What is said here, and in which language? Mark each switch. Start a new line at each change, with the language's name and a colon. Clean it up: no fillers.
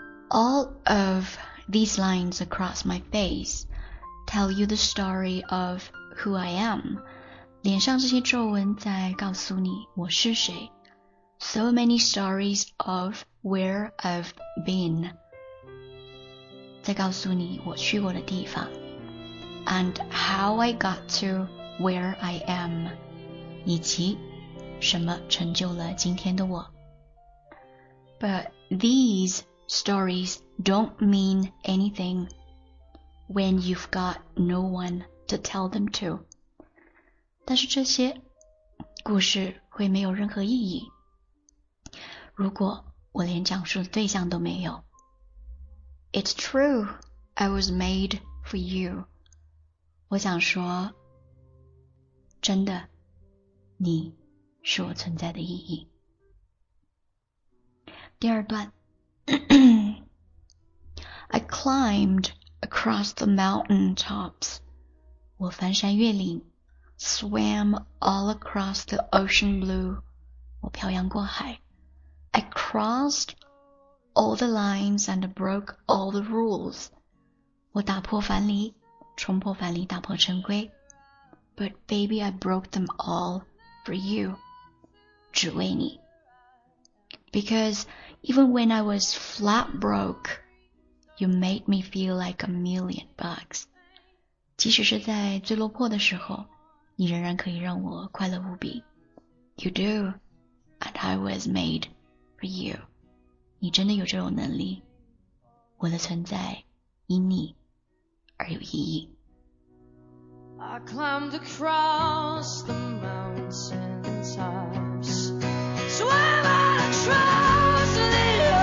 English: All of these lines across my face tell you the story of who I am.
Chinese: 脸上这些皱纹在告诉你我是谁。
English: So many stories of where I've been.
Chinese: 在告诉你我去过的地方。
English: And how I got to where I am.
Chinese: 以及什么成就了今天的我。
English: But these stories don't mean anything when you've got no one to tell them to.
Chinese: 但是这些故事会没有任何意义，如果我连讲述的对象都没有。
English: It's true, I was made for you.
Chinese: 我想说，真的，你是我存在的意义。
English: 第二段I climbed across the mountain tops.
Chinese: 我翻山越岭
English: Swam all across the ocean blue.
Chinese: 我漂洋过海
English: I crossed all the lines and broke all the rules.
Chinese: 我打破樊篱冲破樊篱打破陈规
English: But baby, I broke them all for you.
Chinese: 只为你
English: Because even when I was flat broke, you made me feel like a million bucks.
Chinese: 即使是在最落魄的时候，你仍然可以让我快乐无比。
English: You do, and I was made for you.
Chinese: 你真的有这种能力，我的存在因你而有意义。
English: I climbed across the mountain tops. Swam out of trouble.